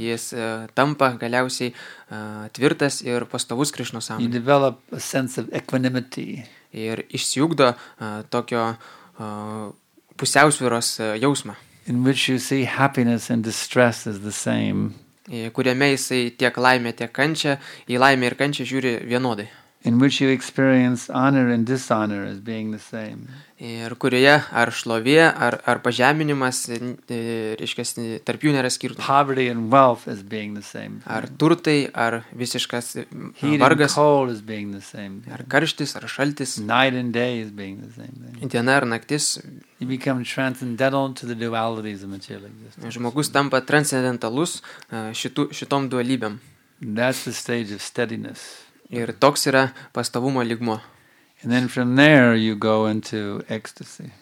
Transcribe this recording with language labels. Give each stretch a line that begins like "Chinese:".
Lithuanian: Jis tampa galiausiai tvirtas ir pastovus Krishna sąmonė.
English: You develop a sense of equanimity.
Lithuanian: Ir išsiugdo tokio pusiausvyros jausmą.
English: In which you see happiness and distress as the same.
Lithuanian: Kuriame jisai tiek laimė, tiek kančia, į laimę ir kančią žiūri vienodai.
English: In which you experience honor and dishonor as being the same.
Lithuanian: Ir kurioje ar šlovė, ar pažeminimas, reiškia, tarp jų nėra skirtumo.
English: Poverty and wealth as being the same.
Lithuanian: Ar turtai, ar visiškas vargas.
English: Heat and cold as being the same.
Lithuanian: Ar karštis, ar šaltis.
English: Night and day as being the same.
Lithuanian: Diena ar naktis.
English: You become transcendental to the dualities of material existence.
Lithuanian: Žmogus tampa transcendentalus šitom dualybėm.
English: That's the stage of steadiness.
Lithuanian: Ir toks yra pastovumo lygmo.
English: And then from there you go into ecstasy.